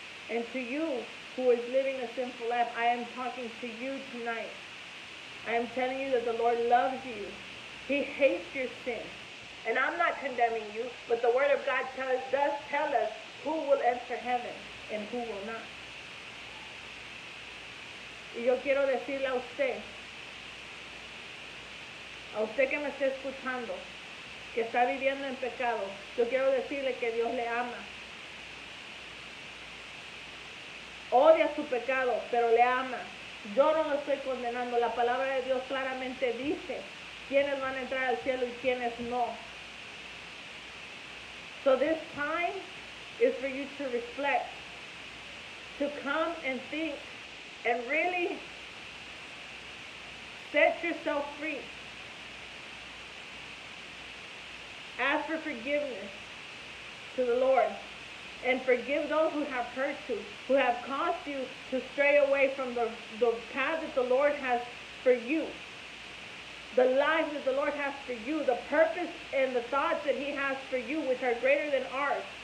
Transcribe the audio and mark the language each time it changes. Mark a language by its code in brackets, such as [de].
[en] And to you who is living a sinful life, I am talking to you tonight. I am telling you that the Lord loves you. He hates your sin. And I'm not condemning you, but the Word of God does tell us who will enter heaven and who will not. [es] Y yo quiero decirle a usted que me esté escuchando, que está viviendo en pecado, yo quiero decirle que Dios le ama. Odia su pecado, pero le ama. Yo no lo estoy condenando. La palabra de Dios claramente dice quiénes van a entrar al cielo y quiénes no. [en] So this time is for you to reflect, to come and think, and really set yourself free. Ask for forgiveness to the Lord. And forgive those who have hurt you, who have caused you to stray away from the path that the Lord has for you, the life that the Lord has for you, the purpose and the thoughts that He has for you, which are greater than ours.